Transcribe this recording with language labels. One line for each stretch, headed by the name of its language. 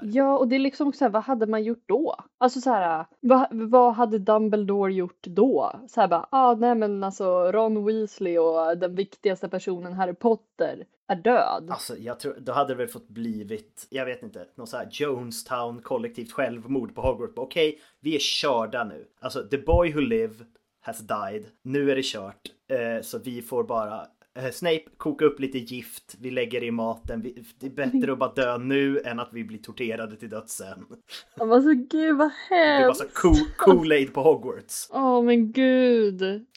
Swedish: Ja, och det är liksom så här, vad hade man gjort då? Alltså så här, vad hade Dumbledore gjort då? Så här bara, nej men alltså Ron Weasley och den viktigaste personen Harry Potter är död. Alltså jag tror, då hade det väl fått blivit, jag vet inte, någon så här Jonestown kollektivt självmord på Hogwarts. Okej, vi är körda nu. Alltså,
English: the boy who lived has died.
Swedish: Nu är det kört, så vi får bara... Snape, koka upp lite gift, vi lägger i maten, det är bättre att bara dö nu än att vi blir torterade till döds sen. Åh, alltså, gud vad hemskt. Det är bara så Kool-Aid på Hogwarts. Åh, men gud.